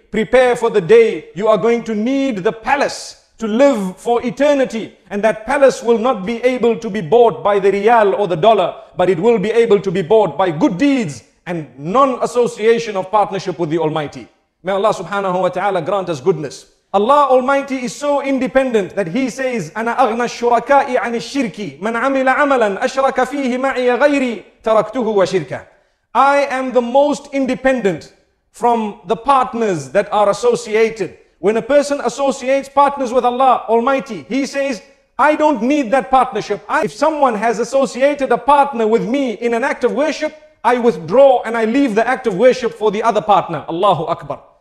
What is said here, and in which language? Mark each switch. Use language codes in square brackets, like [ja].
[en] Prepare for the day you are going to need the palace to live for eternity. And that palace will not be able to be bought by the riyal or the dollar, but it will be able to be bought by good deeds and non-association of partnership with the Almighty. May Allah subhanahu wa ta'ala grant us goodness. Allah Almighty is so independent that He says, [ar] أَنَا أَغْنَى الشُّرَكَاءِ عَنِ الشِّرْكِ مَنْ عَمِلَ عَمَلًا أَشْرَكَ فِيهِ مَعِيَ غَيْرِي تَرَكْتُهُ وَشِرْكَ. [en] I am the most independent from the partners that are associated. When a person associates partners with Allah Almighty, he says, I don't need that partnership. If someone has associated a partner with me in an act of worship, I withdraw and I leave the act of worship for the other partner. Allahu Akbar.